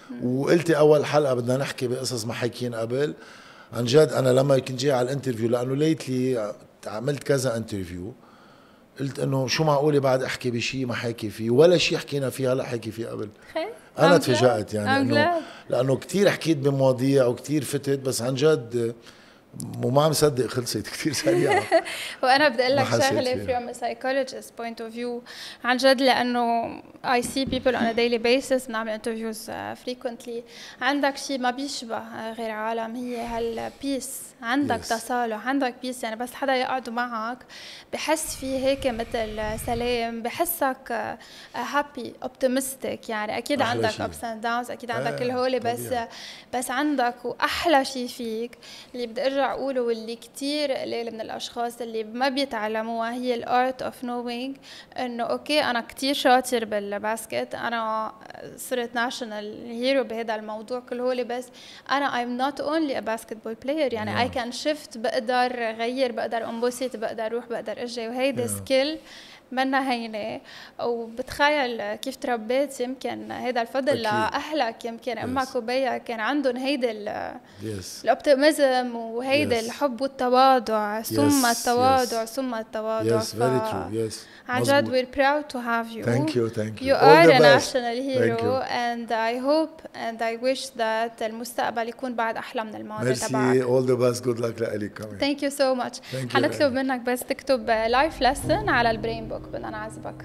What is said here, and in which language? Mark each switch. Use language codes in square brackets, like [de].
[ar] وقلتي اول حلقه بدنا نحكي بقصص ما حكينا قبل. عن جد انا لما كنت جاي على الانترفيو، لانه ليتلي عملت كذا انترفيو، قلت انه شو معقوله بعد احكي بشيء ما حكي فيه ولا شيء حكينا فيه هلا حكي فيه قبل. انا تفاجأت يعني، انه لانه كثير حكيت بمواضيع وكثير فتت، بس عن جد وما عم صدق خلصت كتير سريعة. وأنا بدي أقول لك شغلة [en] from a psychologist point of view [ar] عن جد, لأنه [en] I see people on a daily basis, نعمل interviews frequently. [ar] عندك شيء ما بيشبه غير عالم هي هال peace, عندك تصالح, عندك peace, يعني بس حدا يقعد معك بحس فيه هيك مثل سلام, بحسك [en] happy optimistic. [ar] يعني أكيد عندك [en] ups and downs, [ar] أكيد عندك الهولة, بس عندك. وأحلى شيء فيك اللي بدي أرجع أقوله واللي كتير قليل من الأشخاص اللي ما بيتعلموها, هي الـ [en] art of knowing [ar] إنه أوكي أنا كتير شاطر بالباسكت, أنا صرت ناشنال هيرو بهذا الموضوع كله, بس أنا [en] I'm not only a basketball player, [ar] يعني [en] I can shift, [ar] بقدر غير, بقدر أنبسط, بقدر أروح, بقدر أجي, وهي دي سكيل منا هينة. وبتخيل كيف تربيت, يمكن هيدا الفضل لأهلك, يمكن أمك وبيك كان عندهم هيدا الأوبتيميزم وهيدا الحب والتواضع, ثم التواضع ثم التواضع. عن جد [en] we're proud to have you. Thank you. You are a national hero, and I hope and I wish that [ar] المستقبل يكون بعد أحلى من الماضي تبعك. [en] Merci, all the best, good luck لك. Thank you so much. [ar] حنطلب منك بس تكتب life lesson على البريم بوك بدنا نعذبك